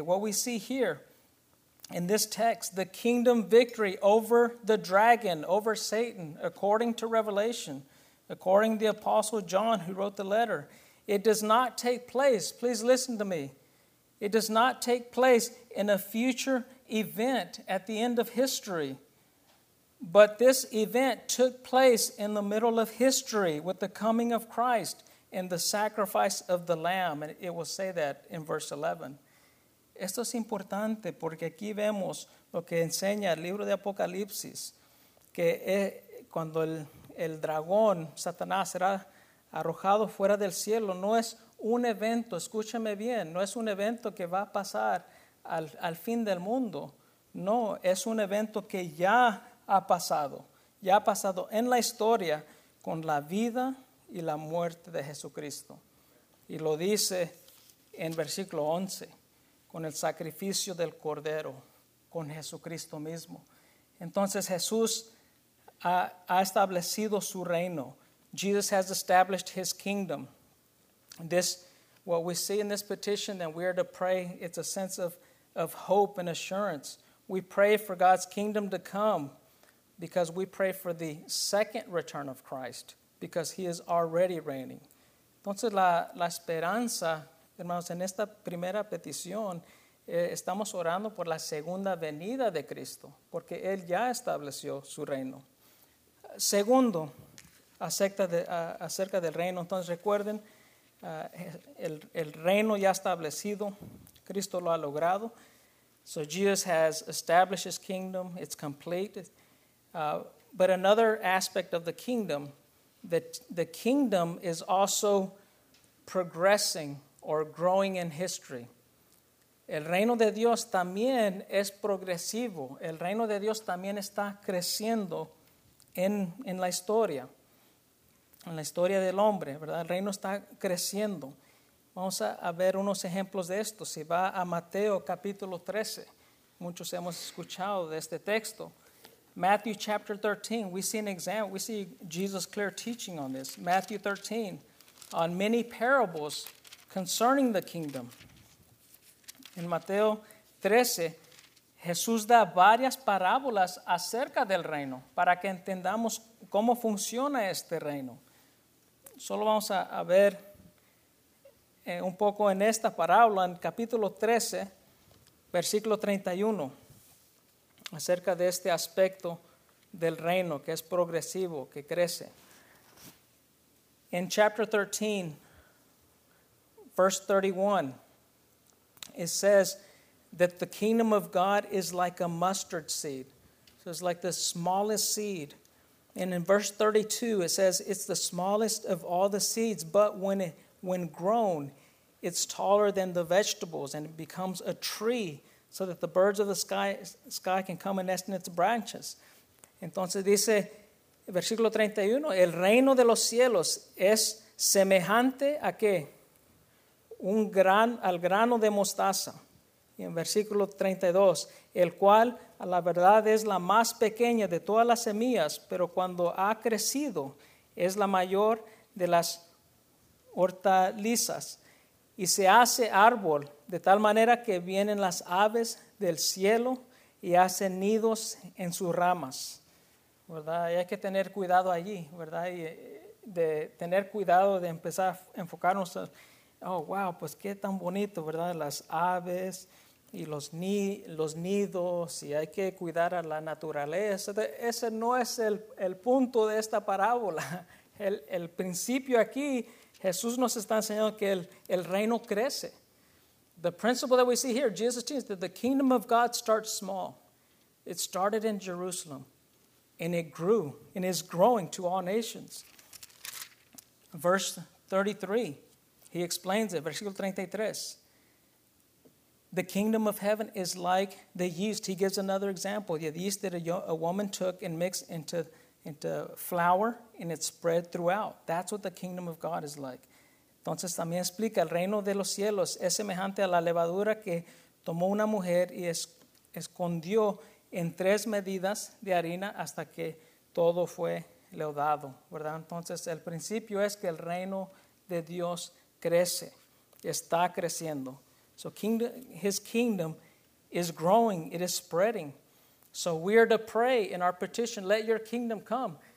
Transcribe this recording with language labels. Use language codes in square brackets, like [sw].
[en] What we see here in this text, the kingdom victory over the dragon, over Satan, according to Revelation, according to the Apostle John who wrote the letter, it does not take place, please listen to me, it does not take place in a future event at the end of history. But this event took place in the middle of history with the coming of Christ and the sacrifice of the Lamb. And it will say that in verse 11. [es] Esto es importante porque aquí vemos lo que enseña el libro de Apocalipsis, que cuando el dragón, Satanás, será arrojado fuera del cielo, no es un evento, escúchame bien, no es un evento que va a pasar al fin del mundo. No, es un evento que ya ha pasado. Ya ha pasado en la historia con la vida y la muerte de Jesucristo. Y lo dice en versículo 11, con el sacrificio del Cordero, con Jesucristo mismo. Entonces Jesús ha establecido su reino. [en] Jesus has established his kingdom. This, what we see in this petition that we are to pray, it's a sense of hope and assurance. We pray for God's kingdom to come because we pray for the second return of Christ, because he is already reigning. [es] Entonces, la esperanza, hermanos, en esta primera petición, estamos orando por la segunda venida de Cristo, porque él ya estableció su reino. Segundo, acerca del reino, entonces recuerden, el reino ya establecido, Cristo lo ha logrado. [en] So Jesus has established his kingdom, it's complete. But another aspect of the kingdom, that the kingdom is also progressing or growing in history. [es] El reino de Dios también es progresivo. El reino de Dios también está creciendo en la historia. En la historia del hombre, ¿verdad? El reino está creciendo. Vamos a ver unos ejemplos de esto. Si va a Mateo capítulo 13, muchos hemos escuchado de este texto. [en] Matthew chapter 13, we see an example, we see Jesus' clear teaching on this. Matthew 13, on many parables concerning the kingdom. [es] En Mateo 13, Jesús da varias parábolas acerca del reino para que entendamos cómo funciona este reino. Solo vamos a ver un poco en esta parábola, en capítulo 13, versículo 31. Acerca de este aspecto del reino que es progresivo, que crece. [en] In chapter 13, verse 31, it says that the kingdom of God is like a mustard seed. So it's like the smallest seed. And in verse 32, it says it's the smallest of all the seeds, but when grown, it's taller than the vegetables and it becomes a tree, so that the birds of the sky can come and nest in its branches. [es] Entonces dice, versículo 31, el reino de los cielos es semejante a qué? Al grano de mostaza. Y en versículo 32, el cual a la verdad es la más pequeña de todas las semillas, pero cuando ha crecido es la mayor de las hortalizas. Y se hace árbol, de tal manera que vienen las aves del cielo y hacen nidos en sus ramas. ¿Verdad? Y hay que tener cuidado allí, ¿verdad? Y de tener cuidado de empezar a enfocarnos. Oh, wow, pues qué tan bonito, ¿verdad? Las aves, y los nidos, y hay que cuidar a la naturaleza. Ese no es el punto de esta parábola. El principio aquí, Jesús nos está enseñando que el reino crece. [en] The principle that we see here, Jesus teaches that the kingdom of God starts small. It started in Jerusalem, and it grew, and is growing to all nations. Verse 33, he explains it. Versículo 33. The kingdom of heaven is like the yeast. He gives another example. The yeast that a woman took and mixed into flour, and it spread throughout. That's what the kingdom of God is like. [es] Entonces también explica, el reino de los cielos es semejante a la levadura que tomó una mujer y escondió en tres medidas de harina hasta que todo fue leudado, ¿verdad? Entonces el principio es que el reino de Dios crece, está creciendo. [en] So kingdom, his kingdom is growing, it is spreading. So we are to pray in our petition, let your kingdom come.